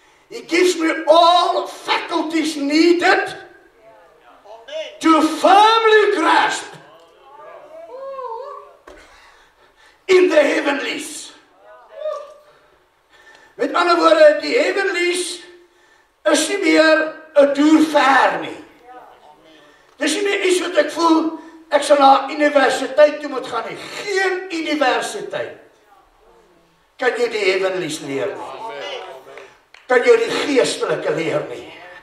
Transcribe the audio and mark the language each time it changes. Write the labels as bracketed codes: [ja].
[en] He gives me all faculties needed to firmly grasp in the heavenlies. [af] Met ander woorde, die heavenlies is nie meer 'n duur ver nie. Dis nie meer iets wat ek voel, ek sal na universiteit toe moet gaan nie. Geen universiteit kan jy die heavenlies leer nie. Kan jy die geestelike leer nie.